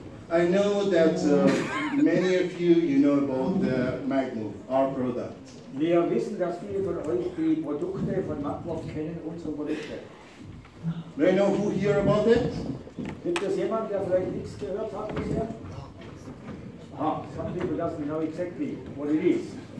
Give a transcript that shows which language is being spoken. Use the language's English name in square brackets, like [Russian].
[English] I know that many of you, you know about the Magmov, our product. [German] Wir wissen, dass viele von euch die Produkte von Magmov kennen, unsere Produkte. [English] Do you know who hear about it? [German] Gibt es jemand, der vielleicht nichts gehört hat bisher? [English] Ah, some people doesn't know exactly what it is.